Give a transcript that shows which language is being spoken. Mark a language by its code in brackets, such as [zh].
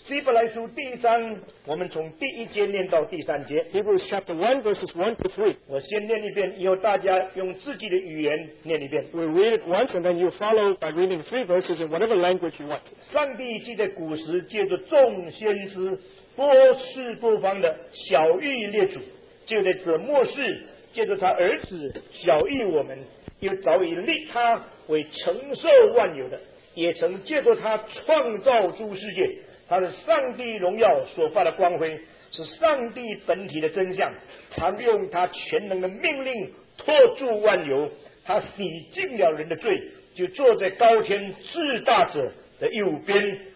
[zh] 希伯来书第一章，我们从第一节念到第三节。 [en] Hebrews chapter 1 verses 1 to 3. [zh] 我先念一遍，以后大家用自己的语言念一遍。 [en] We'll read it once and then you follow by reading three verses in whatever language you want. [zh] 上帝记得古时借着众先知多次多方的晓谕列祖，就在这末世借着他儿子晓谕我们，又早已立他为承受万有的，也曾借着他创造诸世界，他的上帝荣耀所发的光辉是上帝本体的真相，常用他全能的命令托住万有，他洗净了人的罪，就坐在高天至大者的右边。